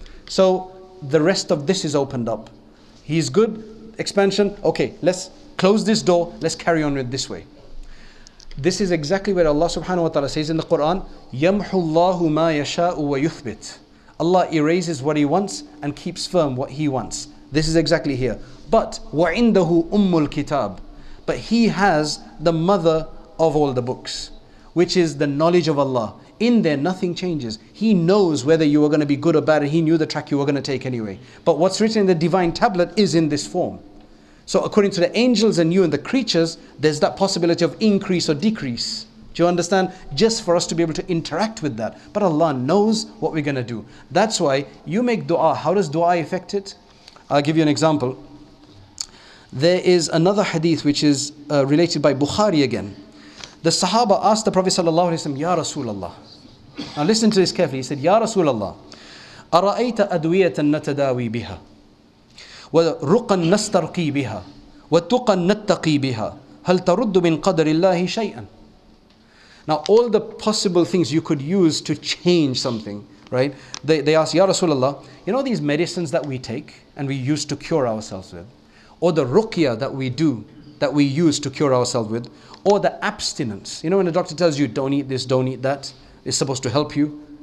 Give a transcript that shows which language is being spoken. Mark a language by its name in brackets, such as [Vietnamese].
[English] So the rest of this is opened up. He is good, expansion. Okay, let's close this door. Let's carry on with this way. This is exactly where Allah subhanahu wa ta'ala says in the Quran, [Arabic] يَمْحُ اللَّهُ مَا يَشَاءُ وَيُثْبِتُ. [English] Allah erases what he wants and keeps firm what he wants. This is exactly here. [Arabic] But وَعِنْدَهُ أُمُّ الْكِتَابِ. [English] But he has the mother of all the books, which is the knowledge of Allah. In there, nothing changes. He knows whether you are going to be good or bad, and he knew the track you were going to take anyway. But what's written in the divine tablet is in this form. So according to the angels and you and the creatures, there's that possibility of increase or decrease. Do you understand? Just for us to be able to interact with that. But Allah knows what we're going to do. That's why you make dua. How does dua affect it? I'll give you an example. There is another hadith which is related by Bukhari again. The Sahaba asked the Prophet sallallahu alaihi wasallam, Ya Rasulullah. Now listen to this carefully. He said, Ya Rasulullah, [Arabic] أَرَأَيْتَ أَدْوِيَةً نَتَدَاوِي بِهَا وَرُقًا نَسْتَرْقِي بِهَا وَتُقًا نَتَّقِي بِهَا هَلْ تَرُدُّ مِنْ قَدْرِ اللَّهِ شَيْئًا. [English] Now all the possible things you could use to change something, right? They ask, Ya Rasulullah, you know these medicines that we take and we use to cure ourselves with, or the ruqya that we do, that we use to cure ourselves with, or the abstinence. You know when a doctor tells you, don't eat this, don't eat that, it's supposed to help you.